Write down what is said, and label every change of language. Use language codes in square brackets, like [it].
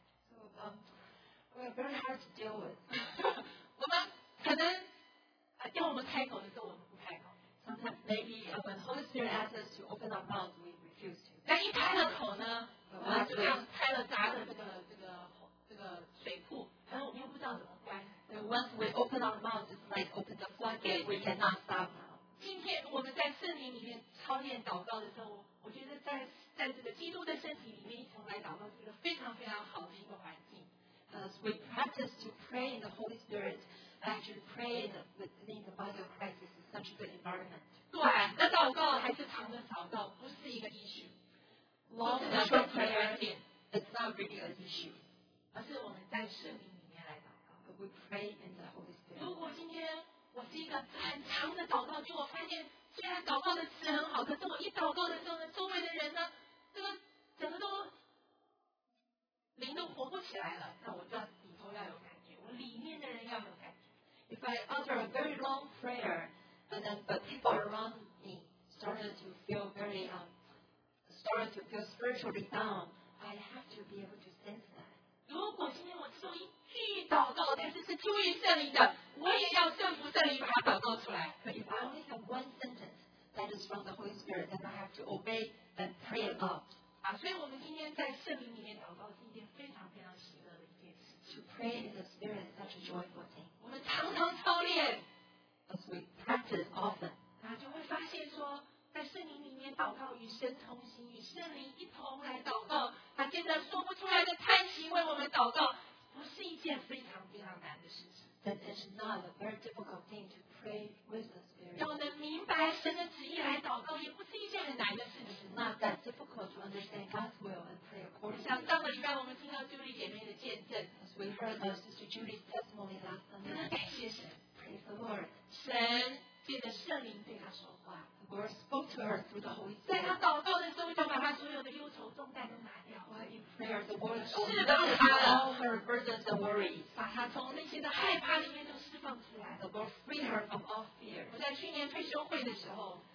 [en] so, we are very hard to deal with [zh] 我们可能要我们开口的时候我们不开口 [en] sometimes maybe when Holy Spirit asks us to open our mouth we refuse to [zh] 但一开了口呢我们就像开了闸的这个水库然后我们又不知道怎么关 [en] so, once we open our mouth it's like open the floodgate we cannot stop now [zh] 今天我们在圣灵里面操练祷告的时候我觉得在这个基督的身体里面一同来祷告是一个非常非常好的一个环境。 [en] As we practice to pray in the Holy Spirit, actually pray within the body of Christ is such a good environment. [zh] 短的祷告还是长的祷告不是一个 issue. [en] Long and short prayer is not really an issue. [zh] 而是我们在圣灵里面来祷告。 [en] But we pray in the Holy Spirit. [zh] 如果今天我是一个很长的祷告，就我发现。虽然祷告的词很好，可是我一祷告的时候呢，周围的人呢，这个整个都灵都活不起来了。那我就要里头要有感觉，我里面的人要有感觉。 [en] If I utter a very long prayer, and then but people around me started to feel spiritually down, I have to be able to sense that. [zh] 如果今天我只有一句祷告，但是是出于圣灵的，我也要顺服圣灵把它祷告出来。 [en] But if I only have one sentence. That is from the Holy Spirit, then I have to obey and pray it out. [zh] 啊，所以我们今天在圣灵里面祷告是一件非常非常喜乐的一件事。 [en] To pray in the Spirit is such a joyful thing. [zh] 我们常常操练 [en] ，as we practice often. [zh] 啊，就会发现说，在圣灵里面祷告与神同行，与圣灵一同来祷告，啊，接着说不出来的叹息为我们祷告，不是一件非常非常难的事情。 [en] That is not a very difficult thing to pray with the Spirit. [zh] 要能明白神的旨意来祷告，也不是一件很难的事。 [en] It's not that difficult to understand God's will and pray accordingly. [zh] 像上个礼拜我们听到 Julie 姐妹的见证 [en] ，as we heard our sister Julie's testimony last Sunday. [zh] 真的感谢神 [en] ，Praise the Lord. [zh] 神借着圣灵对她说话 [en] ，The Lord spoke to her through the Holy Spirit. [zh] 在她祷告的时候，就把她所有的忧愁重担都拿掉。 [en] The Lord freed her from all fear. [zh] 我在去年退休会的时候